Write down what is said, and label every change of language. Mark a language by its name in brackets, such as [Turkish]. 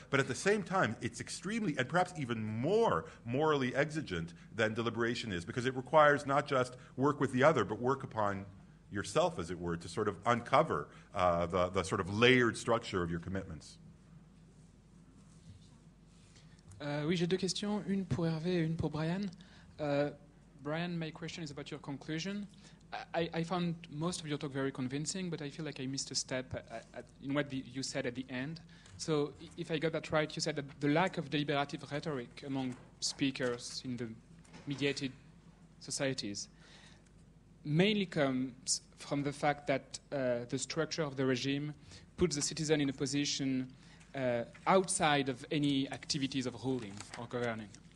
[English] But at the same time, it's extremely, and perhaps even more, morally exigent than deliberation is, because it requires not just work with the other, but work upon yourself, as it were, to sort of uncover the sort of layered structure of your commitments. [French] Oui, j'ai deux questions, une pour Hervé et une pour Brian. [English] Brian, my question is about your conclusion. I found most of your talk very convincing, but I feel like I missed a step in what you said at the end. So if I got that right, you said that the lack of deliberative rhetoric among speakers in the mediated societies mainly comes from the fact that the structure of the regime puts the citizen in a position outside of any activities of ruling or governing.